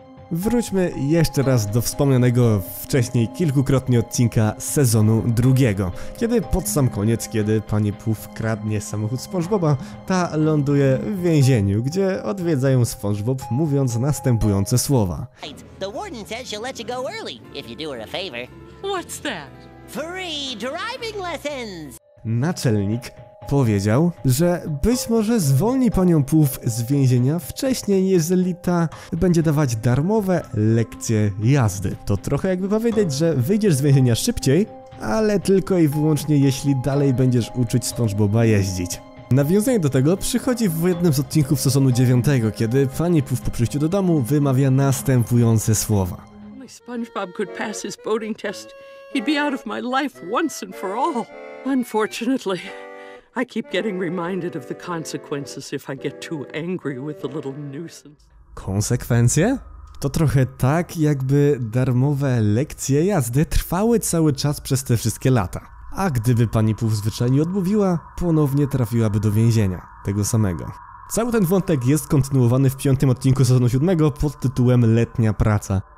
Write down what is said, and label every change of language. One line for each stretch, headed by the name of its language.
Polish: Wróćmy jeszcze raz do wspomnianego wcześniej kilkukrotnie odcinka sezonu drugiego, kiedy pod sam koniec, kiedy pani Puff kradnie samochód SpongeBoba, ta ląduje w więzieniu, gdzie odwiedza ją SpongeBob, mówiąc następujące słowa.
English: The warden says she'll let you go early, if you do her a favor. What's that? Free driving lessons!
Polish: Naczelnik powiedział, że być może zwolni panią Puff z więzienia wcześniej, jeżeli ta będzie dawać darmowe lekcje jazdy. To trochę jakby powiedzieć, że wyjdziesz z więzienia szybciej, ale tylko i wyłącznie jeśli dalej będziesz uczyć SpongeBoba jeździć. Nawiązanie do tego przychodzi w jednym z odcinków sezonu 9, kiedy pani Puff po przyjściu do domu wymawia następujące słowa.
English: My SpongeBob could pass his boating test. He'd be out of my life once and for all. Unfortunately, I keep getting reminded of the consequences if I get too angry with the little nuisance.
Polish: Konsekwencje? To trochę tak, jakby darmowe lekcje jazdy trwały cały czas przez te wszystkie lata. A gdyby pani Puff zwyczajnie odmówiła, ponownie trafiłaby do więzienia, tego samego. Cały ten wątek jest kontynuowany w 5. odcinku sezonu 7 pod tytułem Letnia praca.